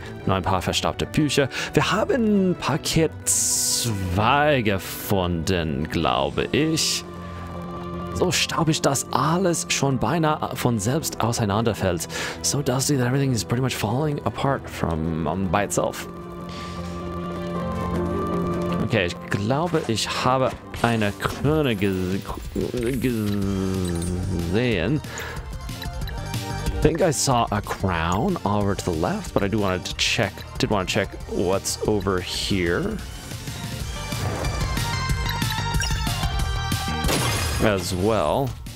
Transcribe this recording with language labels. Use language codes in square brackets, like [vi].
[de] Noch ein paar verstaubte Bücher. Wir haben Paket 2 gefunden, glaube ich. So staubig, dass alles schon beinahe von selbst auseinanderfällt. [en] So dusty that everything is pretty much falling apart from by itself. [de] Okay, ich glaube, ich habe eine Krone gesehen. [en] I think I saw a crown over to the left, but I do want to check. Did want to check what's over here as well.